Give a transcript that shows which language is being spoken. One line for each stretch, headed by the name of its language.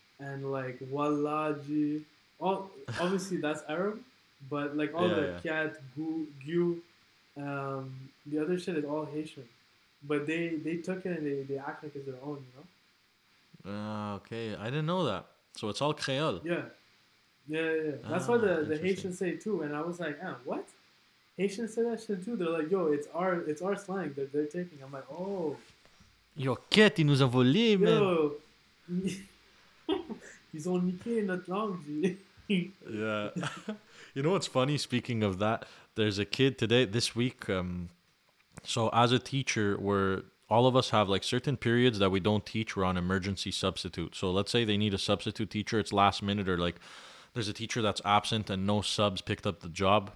English: And like wallaji, obviously that's Arab, but like all kiat, gu, the other shit is all Haitian, but they took it and they act like it's their own, you know. Okay, I didn't know that. So it's all Creole. Yeah, Yeah. That's why the Haitians say it too. And I was like, man, what? Haitians say that shit too. They're like, yo, it's our slang that they're taking. I'm like, oh.
French: Yo, quête, ils nous ont volé, man. Yo. Ils ont niqué notre langue.
English: Yeah. You know what's funny? Speaking of that, there's a kid today, this week. So as a teacher, we're all of us have like certain periods that we don't teach. We're on emergency substitute. So let's say they need a substitute teacher. It's last minute, or like there's a teacher that's absent and no subs picked up the job.